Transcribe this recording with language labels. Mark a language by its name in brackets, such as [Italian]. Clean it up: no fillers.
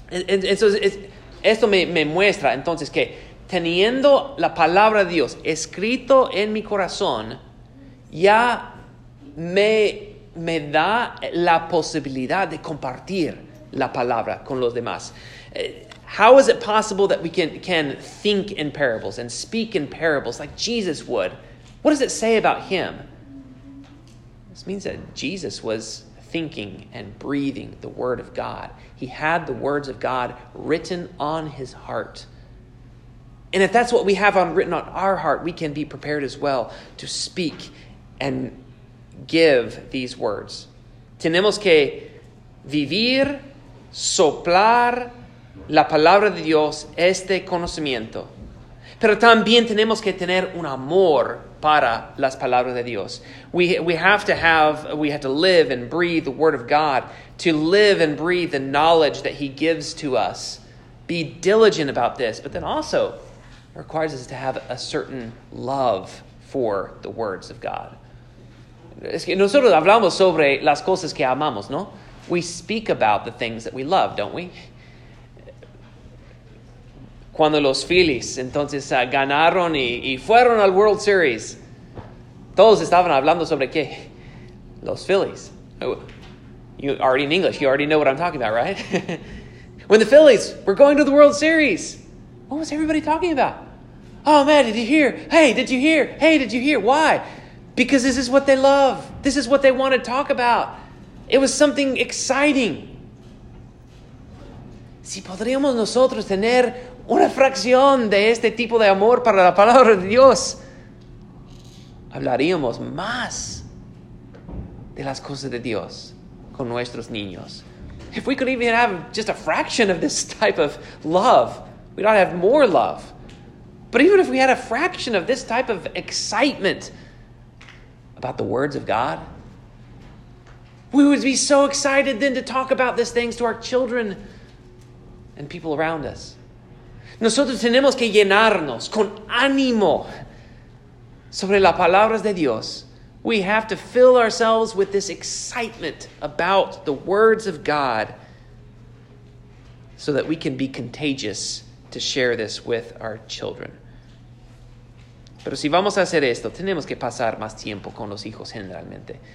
[Spanish] Esto me muestra entonces que teniendo la palabra de Dios escrito en mi corazón, ya me da la posibilidad de compartir la palabra con los demás. [English] How is it possible that we can think in parables and speak in parables like Jesus would? What does it say about him? This means that Jesus was thinking and breathing the word of God. He had the words of God written on his heart. And if that's what we have written on our heart, we can be prepared as well to speak and give these words. [Spanish] Tenemos que vivir, soplar la palabra de Dios, este conocimiento. Pero también tenemos que tener un amor para las palabras de Dios. [English] We have to live and breathe the word of God, to live and breathe the knowledge that he gives to us. Be diligent about this, but then also it requires us to have a certain love for the words of God. [Spanish] Es que nosotros hablamos sobre las cosas que amamos, ¿no? [English] We speak about the things that we love, don't we? [Spanish] Cuando los Phillies entonces ganaron y fueron al World Series, todos estaban hablando sobre qué? Los Phillies. [English] You already in English, you already know what I'm talking about, right? When the Phillies were going to the World Series, what was everybody talking about? Oh man, did you hear? Hey, did you hear? Hey, did you hear? Why? Because this is what they love. This is what they want to talk about. It was something exciting. [Spanish] Si podríamos nosotros tener una fracción de este tipo de amor para la palabra de Dios, hablaríamos más de las cosas de Dios con nuestros niños. [English] if we could even have just a fraction of this type of love, we'd ought to have more love. But even if we had a fraction of this type of excitement about the words of God, we would be so excited then to talk about these things to our children and people around us. [Spanish] Nosotros tenemos que llenarnos con ánimo sobre las palabras de Dios. [English] We have to fill ourselves with this excitement about the words of God so that we can be contagious to share this with our children. [Spanish] Pero si vamos a hacer esto, tenemos que pasar más tiempo con los hijos generalmente.